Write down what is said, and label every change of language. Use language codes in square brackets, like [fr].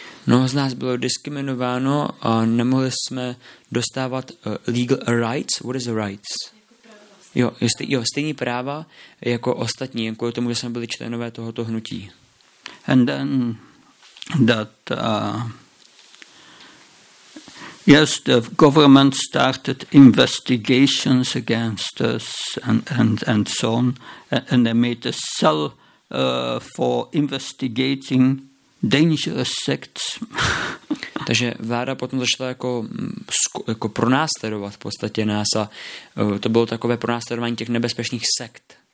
[cs] Mnoho z nás bylo diskriminováno a nemohli jsme dostávat [en] legal rights. What is the rights? [cs] Jo, stejní práva jako ostatní, jen kvůli tomu, že jsme byli členové tohoto hnutí. [en] And then that yes, the government started investigations against us and so on, and they made a cell for investigating dangerous sects. [cs] Takže vláda potom začala jako pronásledovat v podstatě nás a to bylo takové pronásledování těch nebezpečných sekt.